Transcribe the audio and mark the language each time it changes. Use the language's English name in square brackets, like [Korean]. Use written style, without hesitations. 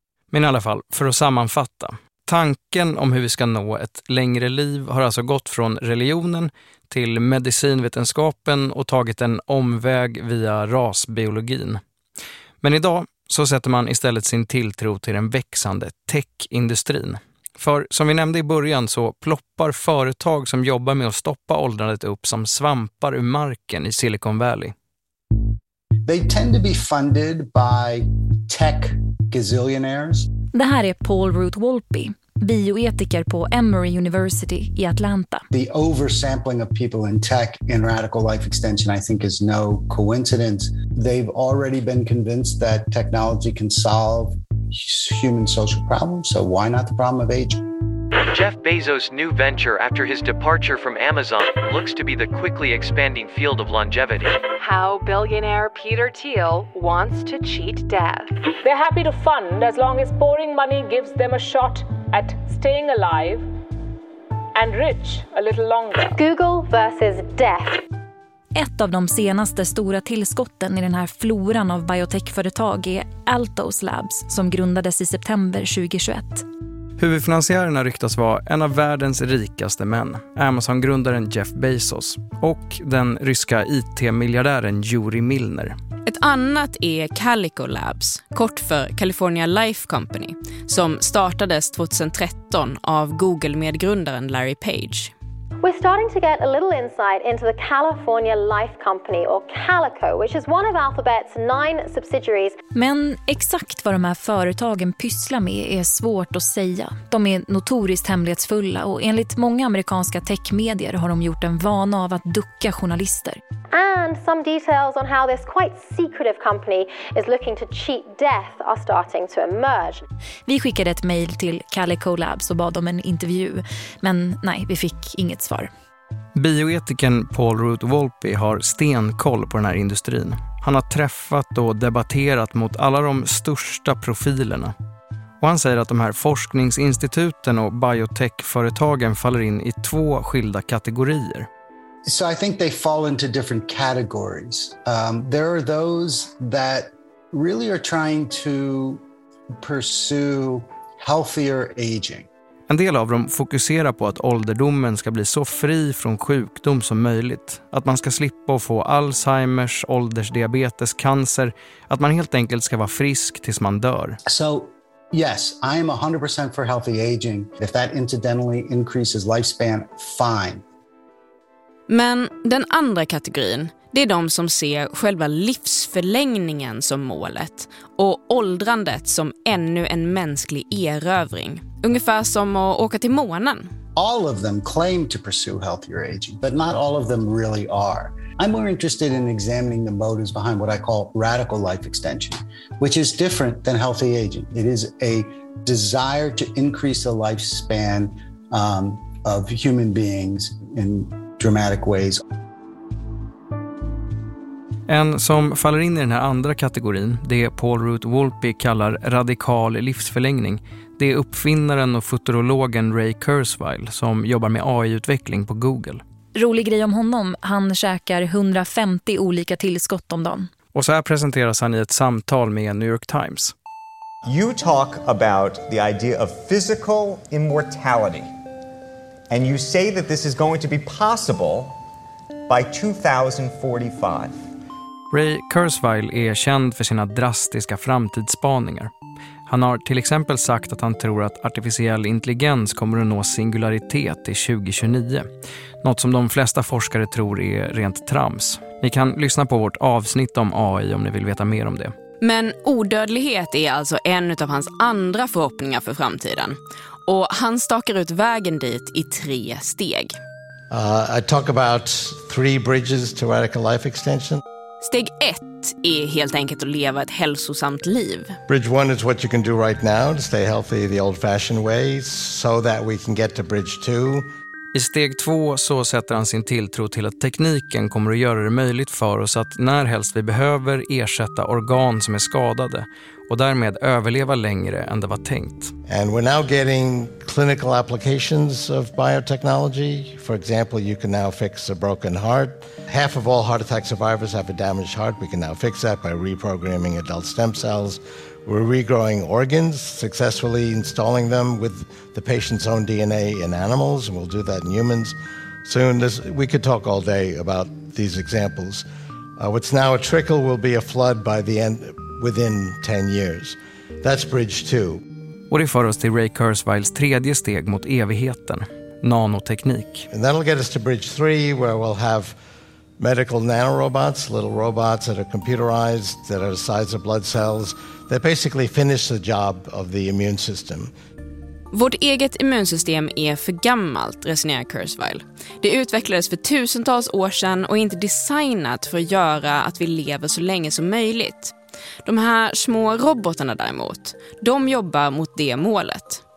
[Swedish] Men i alla fall, för att sammanfatta. Tanken om hur vi ska nå ett längre liv har alltså gått från religionen till medicinvetenskapen och tagit en omväg via rasbiologin. Men idag så sätter man istället sin tilltro till den växande techindustrin. För som vi nämnde i början så ploppar företag som jobbar med att stoppa åldrandet upp som svampar ur marken i Silicon Valley. [English] They tend to be funded by tech gazillionaires. [Swedish] Det här är Paul Ruth Wolpe, bioetiker på Emory University i Atlanta. [English] The oversampling of people in tech in radical life extension, I think, is no coincidence. They've already been convinced that technology can solve human social problems, so why not the problem of age? Jeff Bezos' new venture after his departure from Amazon looks to be the quickly expanding field of longevity. How billionaire Peter Thiel wants to cheat death. They're happy to fund as long as pouring money gives them a shot at staying alive and rich a little longer. Google versus death. [Swedish] Ett av de senaste stora tillskotten i den här floran av biotechföretag är Altos Labs, som grundades i september 2021. Huvudfinansiärerna ryktas vara en av världens rikaste män, Amazon-grundaren Jeff Bezos och den ryska IT-miljardären Yuri Milner. Ett annat är Calico Labs, kort för California Life Company, som startades 2013 av Google-medgrundaren Larry Page. [English] We're starting to get a little insight into the California Life Company, or Calico, which is one of Alphabet's 9 subsidiaries. [Swedish] Men exakt vad de här företagen pysslar med är svårt att säga. De är notoriskt hemlighetsfulla och enligt många amerikanska techmedier har de gjort en vana av att ducka journalister. [English] And some details on how this quite secretive company is looking to cheat death are starting to emerge. [Swedish] Vi skickade ett mejl till Calico Labs och bad om en intervju, men nej, vi fick inget svar. Bioetikern Paul Ruth Wolpe har stenkoll på den här industrin. Han har träffat och debatterat mot alla de största profilerna. Och han säger att de här forskningsinstituten och biotechföretagen faller in i 2 skilda kategorier. [English] So I think they fall into different categories. There are those that really are trying to pursue healthier aging. [Swedish] En del av dem fokuserar på att ålderdomen ska bli så fri från sjukdom som möjligt. Att man ska slippa att få Alzheimers, åldersdiabetes, cancer. Att man helt enkelt ska vara frisk tills man dör. [English] So yes, I am 100% for healthy aging. If that incidentally increases lifespan, fine. [Swedish] Men den andra kategorin, det är de som ser själva livsförlängningen som målet och åldrandet som ännu en mänsklig erövring. Ungefär som att åka till månen. [English] All of them claim to pursue healthier aging, but not all of them really are. I'm more interested in examining the motives behind what I call radical life extension, which is different than healthy aging. It is a desire to increase the lifespan of human beings in dramatic ways. [Swedish] En som faller in i den här andra kategorin, det Paul Ruth Wolpe kallar radikal livsförlängning, det är uppfinnaren och futurologen Ray Kurzweil som jobbar med AI-utveckling på Google. Rolig grej om honom, han käkar 150 olika tillskott om dagen. Och så här presenteras han i ett samtal med New York Times. [English] You talk about the idea of physical immortality. And you say that this is going to be possible by 2045. [Swedish] Ray Kurzweil är känd för sina drastiska framtidsspaningar. Han har till exempel sagt att han tror att artificiell intelligens kommer att nå singularitet i 2029. Något som de flesta forskare tror är rent trams. Ni kan lyssna på vårt avsnitt om AI om ni vill veta mer om det. Men odödlighet är alltså en av hans andra förhoppningar för framtiden. Och han stakar ut vägen dit i 3 steg. [English] I talk about 3 bridges to radical life extension. [Swedish] Steg 1 är helt enkelt att leva ett hälsosamt liv. [English] Bridge 1 is what you can do right now to stay healthy the old fashioned way so that we can get to bridge 2. [Swedish] I steg 2 så sätter han sin tilltro till att tekniken kommer att göra det möjligt för oss att när helst vi behöver ersätta organ som är skadade och därmed överleva längre än det var tänkt. [English] And we're now getting clinical applications of biotechnology. For example, you can now fix a broken heart. Half of all heart attack survivors have a damaged heart. We can now fix that by reprogramming adult stem cells. We're regrowing organs, successfully installing them with the patient's own DNA in animals, and we'll do that in humans soon. We could talk all day about these examples. What's now a trickle will be a flood by the end, within 10 years. That's bridge 2. [Swedish] Och det för oss till Ray Kurzweils 3 steg mot evigheten, nanoteknik. [English] And that'll get us to bridge 3, where we'll have medical nanorobots, little robots that are computerized, that are the size of blood cells, that basically finish the job of the immune system. [Swedish] Vårt eget immunsystem är för gammalt, resonerar Kurzweil. Det utvecklades för tusentals år sedan och är inte designat för att göra att vi lever så länge som möjligt. De här små robotarna däremot, de jobbar mot det målet.